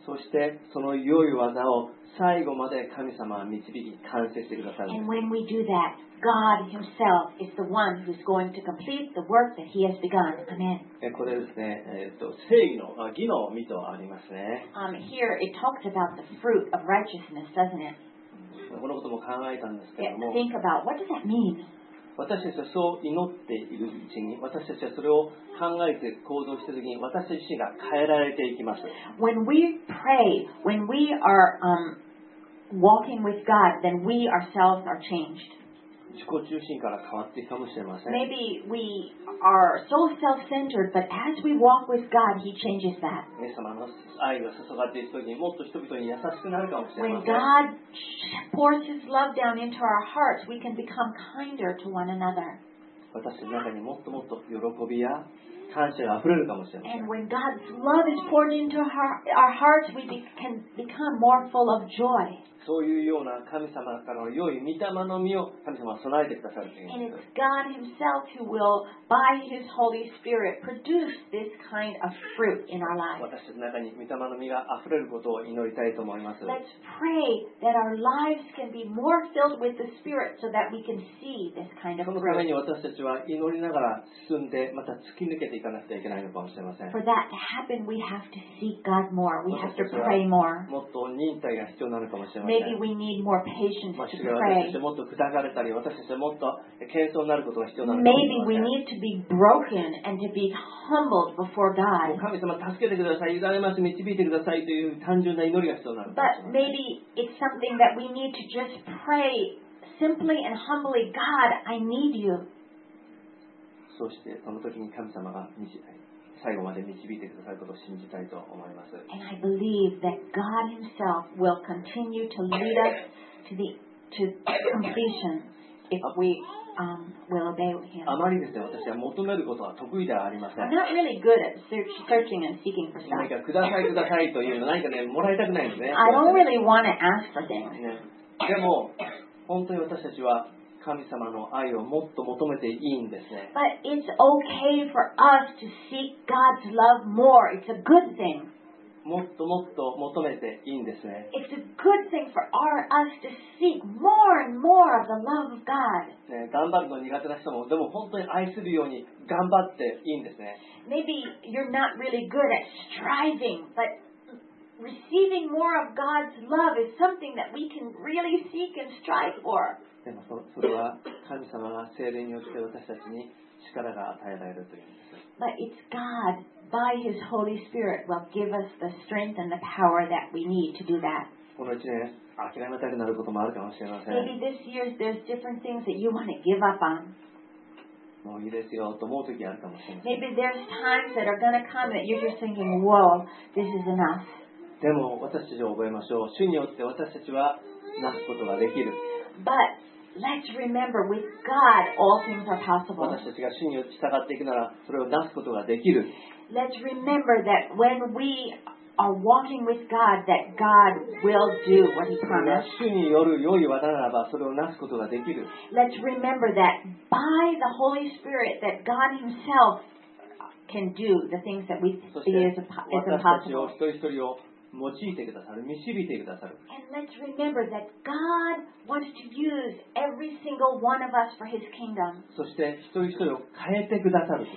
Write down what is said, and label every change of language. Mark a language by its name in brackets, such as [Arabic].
[Japanese] そしてその良い技を最後まで神様は導き完成してくださる。 [English] And when we do that,God Himself is the one who's going to complete the work that He has begun. Amen. [Japanese] これですね、正義の、義の実とありますね。 [English] Here it talks about the fruit of righteousness, doesn't it? [Japanese] このことも考えたんですけども。 [English] Think about what does that mean? [Japanese] 私たちはそう祈っているうちに、私たちはそれを考えて行動しているときに、私たち自身が変えられていきます。 [English] When we pray, when we are walking with God, then we ourselves are changed. [Japanese] 自己中心から変わっていくかもしれません。 [English] Maybe we are so self-centered, but as we walk with God, He changes that. [Japanese] 神様の愛が注がれている時にもっと人々に優しくなるかもしれません。 [English] When God pours His love down into our hearts, we can become kinder to one another. [Japanese] 私の中にもっともっと喜びや感謝が溢れるかもしれません。 [English] And when God's love is poured into our hearts, we can become more full of joy. [Japanese] そういうような神様からの良い御霊の実を神様は備えてくださるということです。 [English] And it's God Himself who will, by His Holy Spirit, produce this kind of fruit in our lives. [Japanese] 私の中に御霊の実が溢れることを祈りたいと思います。 [English] Let's pray that our lives can be more filled with the Spirit so that we can see this kind of fruit. [Japanese] そのために私たちは祈りながら進んで、また突き抜けていかなくてはいけないのかもしれません。 [English] For that to happen, we have to seek God more. We have to pray more. [Japanese] もっと忍耐が必要になるかもしれません。 [English] Maybe we need more patience to pray. Maybe we need to be broken and to be humbled before God. [Japanese] 神様助けてください、委ねます、導いてくださいという単純な祈りが必要なの。 [English] But maybe it's something that we need to just pray simply and humbly, God, I need you. [Japanese] そしてその時に神様が導いて最後まで導いてくださることを信じたいと思います。 [English] And I believe that God Himself will continue to lead us to completion if we will obey Him. [Japanese] あまりですね、私は求めることは得意ではありません。 [English] I'm not really good at searching and seeking for stuff. [Japanese] 何かくださいくださいというの何かね、もらいたくないんですね。 [English] I don't really want to ask for things. [Japanese] でも、本当に私たちは神様の愛をもっと求めていいんですね。 [English] But it's okay for us to seek God's love more. It's a good thing. [Japanese] もっともっと求めていいんですね。 [English] It's a good thing for us to seek more and more of the love of God. [Japanese] ね、頑張るの苦手な人も、でも本当に愛するように頑張っていいんですね。 [English] Maybe you're not really good at striving, but receiving more of God's love is something that we can really seek and strive for. [Japanese] でもそれは神様が聖霊によって私たちに力が与えられるというんです。 [English] But it's God, by His Holy Spirit, will give us the strength and the power that we need to do that. [Japanese] この一年、諦めたくなることもあるかもしれません。 [English] Maybe this year there's different things that you want to give up on. [Japanese] もういいですよと思う時あるかもしれません。 [English] Maybe there's times that are going to come that you're just thinking, whoa, this is enough. [Japanese] でも私たちを覚えましょう。主によって私たちはなすことができる。 [English] But let's remember, with God, all things are possible. [Japanese] 私たちが主に従っていくなら、それを成すことができる。 [English] Let's remember that when we are walking with God, that God will do what He promised. [Japanese] 主による良い技ならば、それを成すことができる。 [English] Let's remember that by the Holy Spirit, that God Himself can do the things that we believe is impossible. [Japanese] 私たちを一人一人を用いてくださる、導いてくださる。 [English] And let's remember that God wants to use every single one of us for His kingdom. [Japanese] そして一人一人を変えてくださる。